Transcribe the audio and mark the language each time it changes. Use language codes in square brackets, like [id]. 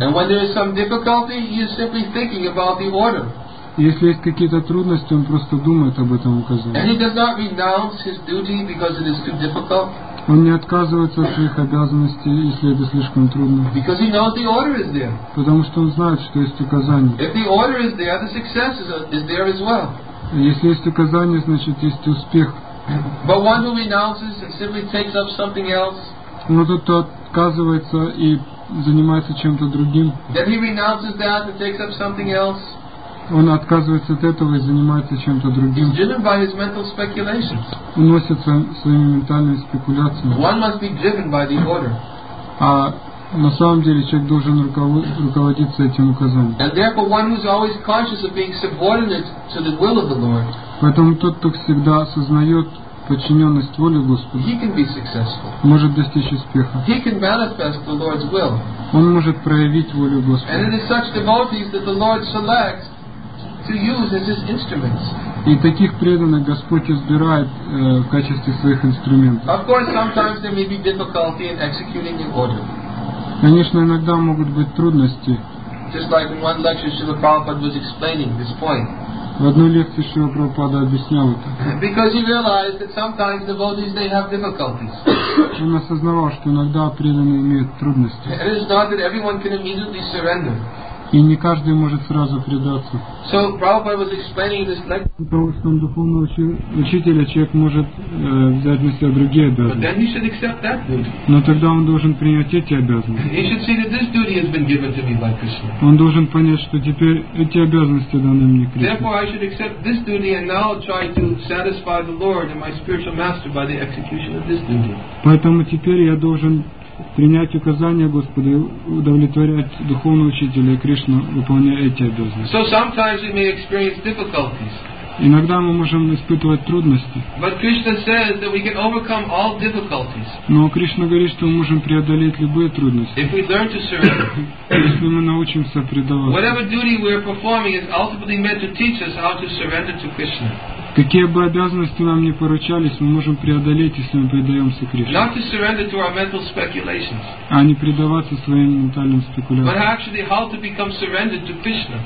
[en] And when there is some difficulty, he is simply thinking about the order. [ru] Если есть какие-то трудности, он просто думает об этом указании. [en] And he does not renounce his duty because it is too difficult. [ru] Он не отказывается от своих обязанностей, если это слишком трудно. [en] Because he knows the order is there. [ru] Потому что он знает, что есть указание. [en] If the order is there, the success is there as well. [ru] Если есть указание, значит, есть успех. [en] But one who renounces and simply takes up something else. [ru] Но тот, кто отказывается и занимается чем-то другим. [en] Then he renounces that and takes up something else. [ru] Он отказывается от этого и занимается чем-то другим. [en] He's driven by his mental speculations. [ru] Уносится своими ментальными спекуляциями. [en] One must be driven by the order. [ru] А на самом деле человек должен руководиться этим указанием. [en] And therefore one who is always conscious of being subordinate to the will of the Lord. [ru] Поэтому тот, кто всегда осознает подчиненность воле Господа, [en] he can be successful. [ru] Может достичь успеха. [en] He can manifest the Lord's will. [ru] Он может проявить волю Господа. [en] And it is such devotees that the Lord selects to use as his instruments. [ru] И таких преданных Господь избирает в качестве своих инструментов. [en] Of course, sometimes there may be difficulty in executing the order. [ru] Конечно, иногда могут быть трудности. [en] Just like in one lecture, Srila Prabhupada was explaining this point. [ru] В одной лекции Srila Prabhupada объяснял это. [en] Because he realized that sometimes devotees they have difficulties. [ru] Он осознавал, что иногда преданные имеют трудности. [en] It is not that everyone can immediately surrender. [ru] И не каждый может сразу предаться. [en] So, Prabhupada was explaining this lecture. [ru] По устам духовного учителя человек может взять на себя другие обязанности. [en] But then he should accept that duty. [ru] Но тогда он должен принять эти обязанности. [en] He should see that this duty has been given to me by Krishna. [ru] Он должен понять, что теперь эти обязанности даны мне Кришне. [en] Therefore, I should accept this duty and now try to satisfy the Lord and my spiritual master by the execution of this duty. [ru] Поэтому теперь я должен принять указания Господа, удовлетворять духовного учителя и Кришну, выполняя эти обязанности. [en] So sometimes we may experience difficulties. [ru] Иногда мы можем испытывать трудности. [en] But Krishna says that we can overcome all difficulties. [ru] Но Кришна говорит, что мы можем преодолеть любые трудности. [en] If we learn to surrender. [ru] Если мы научимся предаваться. [en] Whatever duty we are performing is ultimately meant to teach us how to surrender to Krishna. [ru] Какие бы обязанности нам ни поручались, мы можем преодолеть, если мы предаемся Кришне. [en] Not to surrender to our mental speculations. [ru] А не предаваться своим ментальным спекуляциям. [en] But actually how to become surrendered to Krishna.